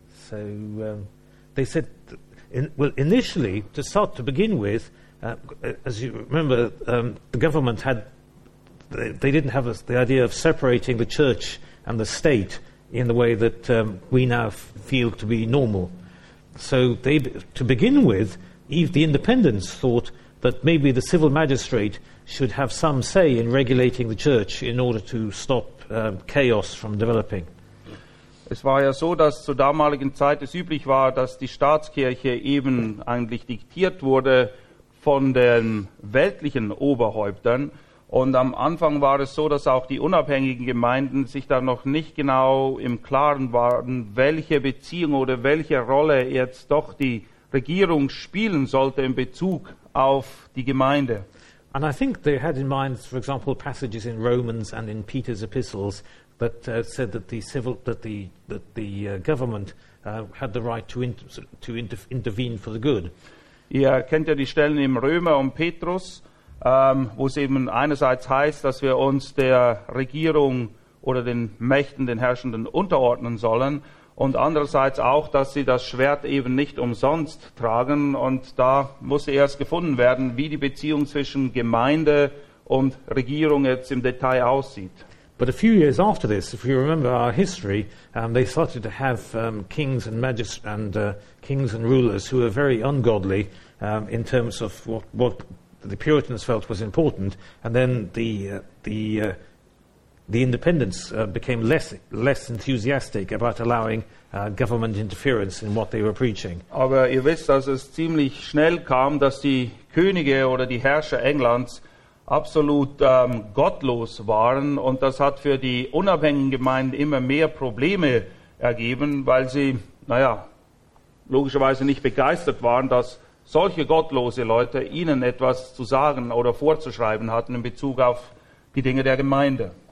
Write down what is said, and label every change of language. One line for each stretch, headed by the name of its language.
English: They said, initially, to begin with, as you remember, the government had, they didn't have the idea of separating the church and the state in the way that we now feel to be normal. So they, to begin with, the independents thought that maybe the civil magistrate should have some say in regulating the church in order to stop chaos from developing.
German: Es war ja so, dass zur damaligen Zeit es üblich war, dass die Staatskirche eben eigentlich diktiert wurde von den weltlichen Oberhäuptern. Und am Anfang war es so, dass auch die unabhängigen Gemeinden sich da noch nicht genau im Klaren waren, welche Beziehung oder welche Rolle jetzt doch die Regierung spielen sollte in Bezug auf die Gemeinde.
English: And I think they had in mind, for example, passages in Romans and in Peter's epistles that said that the government had the right to intervene for the good.
German: Ihr kennt ja die Stellen im Römer und Petrus, wo es eben einerseits heißt, dass wir uns der Regierung oder den Mächten, den Herrschenden unterordnen sollen und andererseits auch, dass sie das Schwert eben nicht umsonst tragen, und da muss erst gefunden werden, wie die Beziehung zwischen Gemeinde und Regierung jetzt im Detail aussieht.
English: But a few years after this, if you remember our history, they started to have kings and rulers who were very ungodly in terms of what the Puritans felt was important, and then the independents became less enthusiastic about allowing government interference in what they were preaching.
German: Aber ihr wisst, dass es ziemlich schnell kam, dass die Könige oder die Herrscher Englands absolut gottlos waren, und das hat für die unabhängigen Gemeinden immer mehr Probleme ergeben, weil sie, naja, logischerweise nicht begeistert waren, dass solche gottlose Leute ihnen etwas zu sagen oder vorzuschreiben hatten in Bezug auf die Dinge der Gemeinde.